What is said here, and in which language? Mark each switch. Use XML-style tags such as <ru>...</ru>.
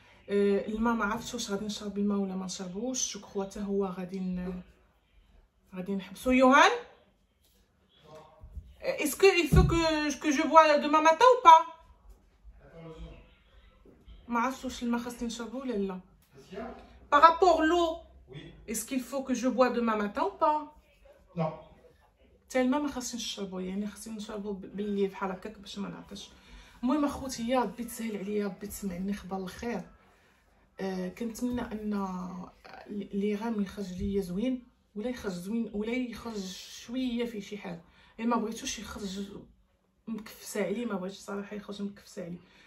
<ar>الماء ما عرفتش واش غادي نشرب الماء ولا ما نشربوش، شكوا حتى هو غادي نحبسو. يوهان اسكو</ar> <fr>il faut que je bois demain matin ou pas؟</fr> <ar>ما عرفتش واش الماء خاصني نشربو ولا لا.</ar> <fr>par rapport l'eau est-ce qu'il faut que je bois demain matin ou pas؟ non</fr> <ar>تالما ما خاصنيش نشربو، يعني خاصني نشربو باللي بحال هكاك باش ما نعطش. المهم اخوتي يا ربي تسهل عليا، يا ربي تسمعني خبر الخير. كنتمنى ان لي غام يخرج ليا زوين، ولا يخرج زوين ولا يخرج شويه في شي حاجه، يعني ما بغيتوش يخرج مكفس علي، ما بغيتش صراحه يخرج مكفس علي.</ar>